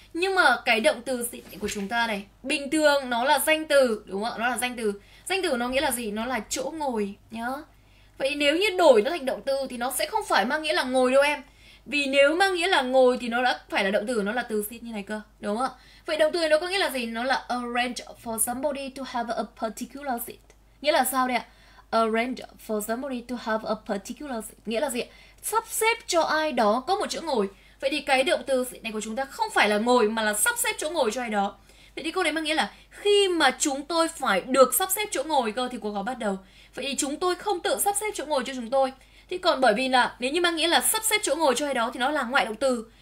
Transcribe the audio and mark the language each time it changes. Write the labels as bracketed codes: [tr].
[vi] Nhưng mà cái động từ xịn của chúng ta này, bình thường nó là danh từ, đúng không ạ? Nó là danh từ. Danh từ nó nghĩa là gì? Nó là chỗ ngồi nhá. Vậy nếu như đổi nó thành động từ thì nó sẽ không phải mang nghĩa là ngồi đâu em. Vì nếu mang nghĩa là ngồi thì nó đã phải là động từ, nó là từ xịt như này cơ, đúng không ạ? Vậy động từ nó có nghĩa là gì? Nó là [en] arrange for somebody to have a particular seat. [vi] Nghĩa là sao đây ạ? [en] Arrange for somebody to have a particular seat. [vi] Nghĩa là gì? Sắp xếp cho ai đó có một chỗ ngồi. Vậy thì cái động từ xịt này của chúng ta không phải là ngồi mà là sắp xếp chỗ ngồi cho ai đó. Vậy thì câu này mang nghĩa là khi mà chúng tôi phải được sắp xếp chỗ ngồi cơ thì cuộc họp bắt đầu. Vậy thì chúng tôi không tự sắp xếp chỗ ngồi cho chúng tôi. Thì còn bởi vì là nếu như mang nghĩa là sắp xếp chỗ ngồi cho ai đó thì nó là ngoại động từ.